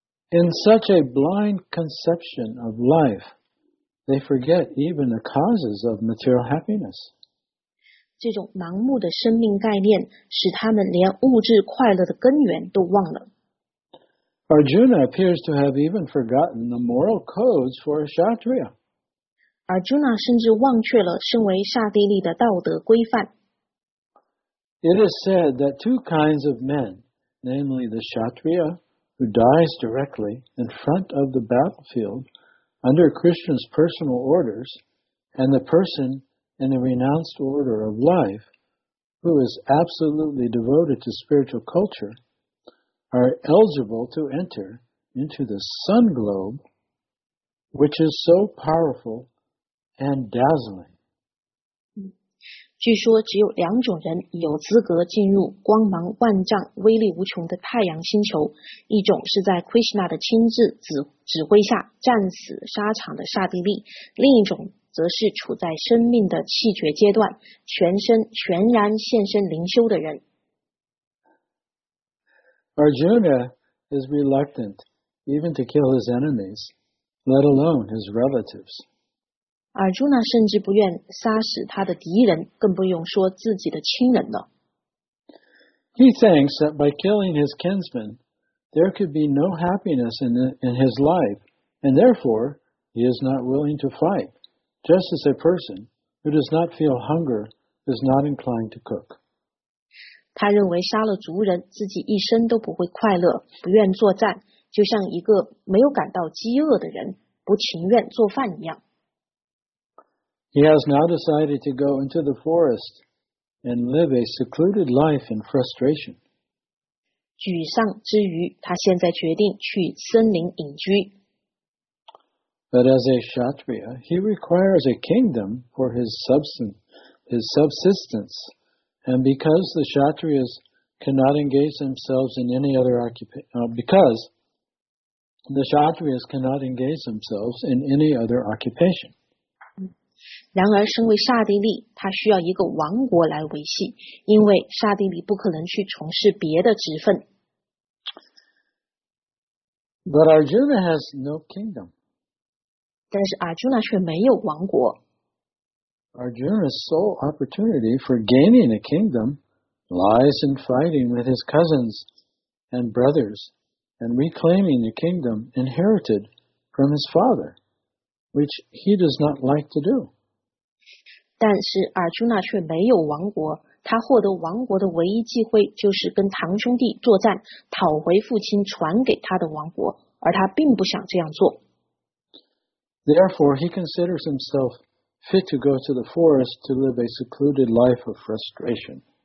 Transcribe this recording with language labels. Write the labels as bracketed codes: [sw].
[en] In such a blind conception of life, they forget even the causes of material happiness. [zh] 这种盲目的生命概念使他们连物质快乐的根源都忘了。 [en] Arjuna appears to have even forgotten the moral codes for a Kshatriya. [zh] Arjuna 甚至忘却了身为刹帝利的道德规范。 [en] It is said that two kinds of men, namely the Kshatriya, who dies directly in front of the battlefield under Krishna's personal orders, and the person in the renounced order of life, who is absolutely devoted to spiritual culture, are eligible to enter into the sun globe, which is so powerful and dazzling. [zh] 据说只有两种人有资格进入光芒万丈、威力无穷的太阳星球，一种是在 Krishna 的亲自指挥下战死沙场的刹帝利，另一种则是处在生命的气绝阶段，全身全然献身灵修的人。 [en] Arjuna is reluctant even to kill his enemies, let alone his relatives. [zh] Arjuna 甚至不愿杀死他的敌人，更不用说自己的亲人了。 [en] He thinks that by killing his kinsmen, there could be no happiness in his life, and therefore he is not willing to fight, just as a person who does not feel hunger is not inclined to cook. [zh] 他认为杀了族人，自己一生都不会快乐，不愿作战，就像一个没有感到饥饿的人，不情愿做饭一样。 [en] He has now decided to go into the forest and live a secluded life in frustration. [zh] 沮丧之余，他现在决定去森林隐居。 [en] But as a Kshatriya, he requires a kingdom for his subsistence. And because the Kshatriyas cannot engage themselves in any other occupation. [zh] 然而，身为刹帝利，他需要一个王国来维系，因为刹帝利不可能去从事别的职分。 [en] But Arjuna has no kingdom. [zh] 但是 Arjuna 却没有王国。 [en] Arjuna's sole opportunity for gaining a kingdom lies in fighting with his cousins and brothers and reclaiming the kingdom inherited from his father, which he does not like to do. [zh] 但是 Arjuna 却没有王国，他获得王国的唯一机会就是跟堂兄弟作战，讨回父亲传给他的王国，而他并不想这样做。 [en] Therefore, he considers himselffit to go to the forest to live a secluded life of frustration.